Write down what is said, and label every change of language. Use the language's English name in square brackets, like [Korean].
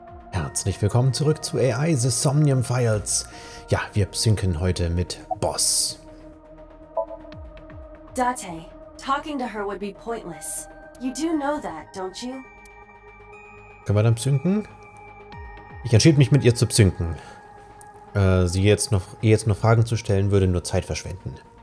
[German] Herzlich willkommen zurück zu AI The Somnium Files. Ja, wir psinken heute mit Boss. [English] Date, talking to her would be pointless. You do know that, don't you? [German] Können wir dann psinken? Ich entschied mich, mit ihr zu psinken. Ihr jetzt noch Fragen zu stellen, würde nur Zeit verschwenden.